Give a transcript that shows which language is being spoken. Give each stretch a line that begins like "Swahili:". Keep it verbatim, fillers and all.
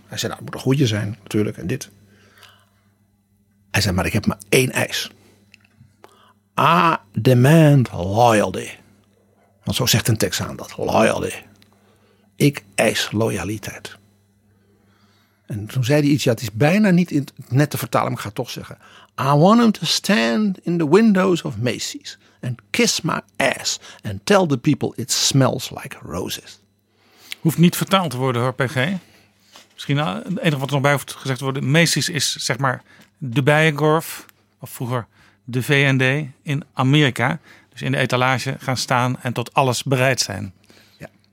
Dutch: Hij zei, nou, het moet een goeie zijn, natuurlijk, en dit. Hij zei, maar ik heb maar één eis.
English: I demand loyalty.
Dutch: Want zo zegt een Texaan dat. Loyalty. Ik eis loyaliteit. En toen zei hij iets. Ja, het is bijna niet in net te vertalen. Maar ik ga het toch zeggen.
English: I want him to stand in the windows of Macy's. And kiss my ass. And tell the people it smells like roses.
Dutch: Hoeft niet vertaald te worden hoor, P G. Misschien nou, het enige wat er nog bij hoeft gezegd te worden. Macy's is zeg maar de Bijengorf. Of vroeger de V N D in Amerika. Dus in de etalage gaan staan en tot alles bereid zijn. Ja.